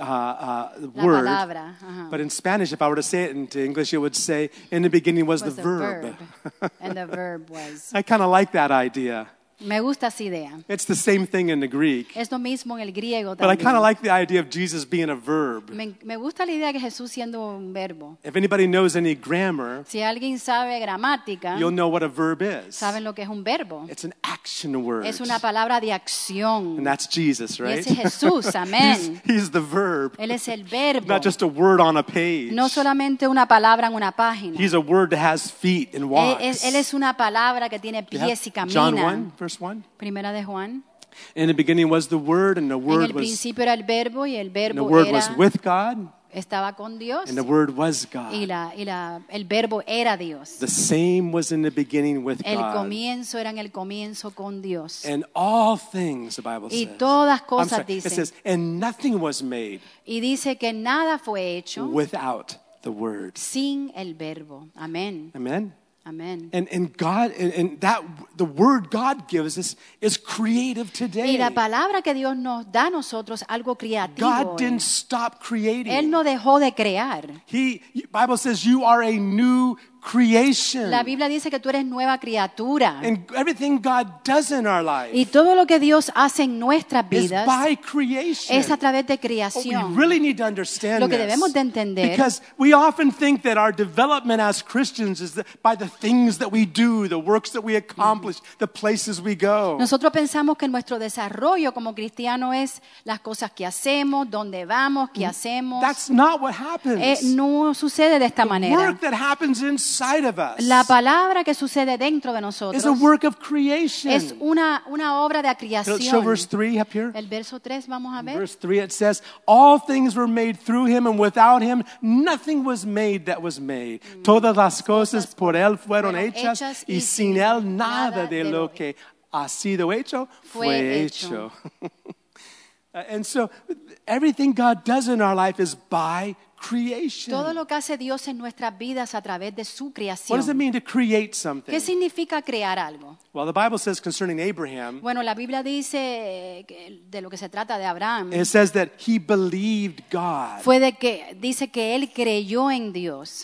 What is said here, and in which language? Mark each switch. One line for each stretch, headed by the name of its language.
Spanish: La palabra. Uh-huh.
English: But in Spanish, if I were to say it into English, it would say, in the beginning was the verb. And the verb was. I kind of like that idea.
Spanish: Me gusta esa idea.
English: It's the same thing in the Greek.
Spanish: Es lo mismo en el griego también.
English: But I kind of like the idea of Jesus being a verb.
Spanish: Me gusta la idea de Jesús siendo un verbo.
English: If anybody knows any grammar,
Spanish: si alguien sabe gramática,
English: you'll know what a verb is.
Spanish: Saben lo que es un verbo.
English: It's an action word.
Spanish: Es una palabra de acción.
English: And that's Jesus, right?
Spanish: Y ese Jesús, amén.
English: He's the verb.
Spanish: Él es el verbo.
English: Not just a word on a page.
Spanish: No solamente una palabra en una página.
English: He's a word that has feet and walks.
Spanish: Él es una palabra que tiene pies y camina.
English: John 1, verse 1.
Spanish: Primera de Juan.
English: In the beginning was the Word, and the Word
Spanish: en el principio
English: was
Spanish: era el verbo, y el verbo
English: and the Word
Spanish: era,
English: was with God.
Spanish: Estaba con Dios,
English: and the Word was God.
Spanish: El verbo era Dios.
English: The same was in the beginning with
Spanish: el
English: God.
Spanish: Comienzo era en el comienzo con Dios.
English: And all things, the Bible
Spanish: y
English: says.
Spanish: Todas cosas
English: I'm sorry,
Spanish: dicen,
English: it says, and nothing was made
Spanish: y dice que nada fue hecho
English: without the Word.
Spanish: Sin el verbo. Amén.
English: Amen. Amen. And God and that the word God gives us is creative today.
Spanish: Y la palabra que Dios nos da a nosotros algo creativo.
English: God
Spanish: hoy.
English: Didn't stop creating.
Spanish: Él no dejó de crear.
English: He Bible says you are a new creation.
Spanish: La Biblia dice que tú eres nueva criatura.
English: And everything God does in our lives.
Spanish: Y todo lo que Dios hace en nuestras vidas.
English: Is by creation.
Spanish: Es a través de creación.
English: Oh, we really need to understand
Spanish: lo que debemos de entender.
English: Because we often think that our development as Christians is by the things that we do, the works that we accomplish, the places we go.
Spanish: Nosotros pensamos que nuestro desarrollo como cristiano es las cosas que hacemos, dónde vamos, qué hacemos.
English: That's not what happens.
Spanish: No sucede de esta
English: the
Spanish: manera.
English: Work that happens in inside of us.
Spanish: La palabra que sucede dentro de nosotros
English: is a work of creation.
Spanish: Es una obra de creación.
English: Show verse 3 up here.
Spanish: El verso 3 vamos a ver.
English: Verse 3 it says, all things were made through him and without him nothing was made that was made.
Spanish: Todas las cosas por él fueron hechas y sin él nada de lo que ha sido hecho fue hecho.
English: And so everything God does in our life is by creation.
Spanish: Todo lo que hace Dios en nuestras vidas a través de su creación.
English: What does it mean to create something?
Spanish: ¿Qué significa crear algo?
English: Well, the Bible says concerning Abraham.
Spanish: Bueno, la Biblia dice de lo que se trata de Abraham.
English: It says that he believed God.
Spanish: Fue de que dice que él creyó en Dios.